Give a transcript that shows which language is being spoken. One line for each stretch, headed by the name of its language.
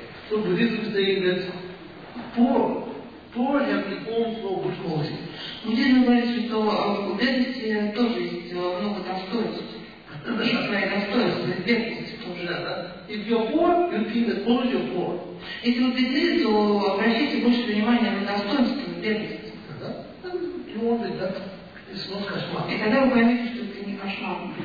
English: So Buddhism says that poor have the also good quality.
Russian: Буддизм говорит, что у бедности тоже есть много достоинств. Есть свои достоинства, бедности тоже.
English: If you're poor, you feel the quality of poor.
Russian: Если вы бедны, то обращайте больше внимания на достоинство и бедность. И тогда вы поймете, что это не кошмар.